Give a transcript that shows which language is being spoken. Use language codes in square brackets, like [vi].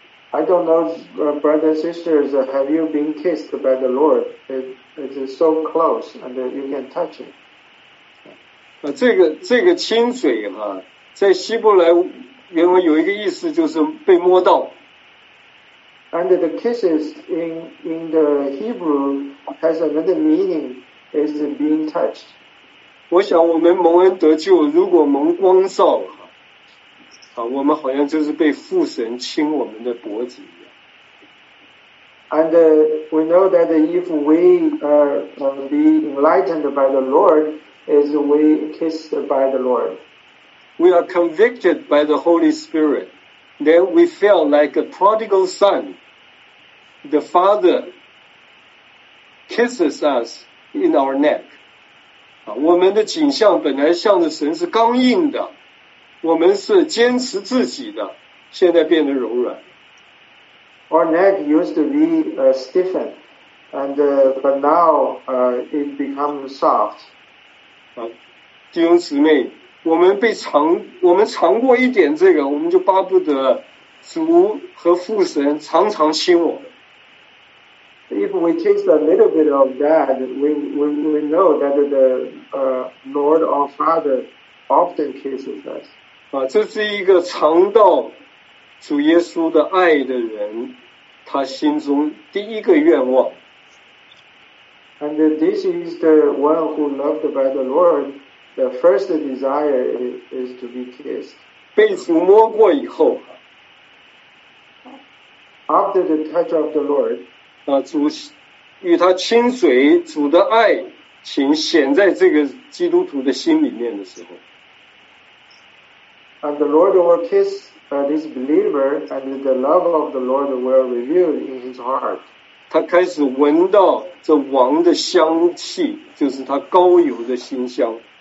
[en] I don't know, brothers and sisters, have you been kissed by the Lord? It is so close, and you can touch it. [zh] 这个亲嘴哈，在希伯来。原文有一个意思就是被摸到。 [en] And the kisses in the Hebrew has another meaning, is being touched. [zh] 我想我们蒙恩得救，如果蒙光照，啊，我们好像就是被父神亲我们的脖子一样。 [en] And we know that if we be enlightened by the Lord, is we kissed by the Lord. We are convicted by the Holy Spirit. Then we feel like a prodigal son. The Father kisses us in our neck. [zh] 我们的景象本来向着神是刚硬的，我们是坚持自己的，现在变得柔软。 [en] Our neck used to be stiffened, and but now it becomes soft. [zh] 弟兄姊妹。我们尝过一点这个，我们就巴不得主和父神常常亲我们。 [en] If we taste a little bit of that, we know that the Lord our Father often kisses us. [zh] 啊，这是一个尝到主耶稣的爱的人，他心中第一个愿望。 [en] And this is the one who loved by the Lord. The first desire is to be kissed. [zh] 被主摸过以后 [en] After the touch of the Lord, [zh] 主与他亲嘴，主的爱情显在这个基督徒的心里面的时候 [en] And the Lord will kiss this believer, and the love of the Lord will reveal in his heart. [zh] 他开始闻到这王的香气，就是他膏油的馨香。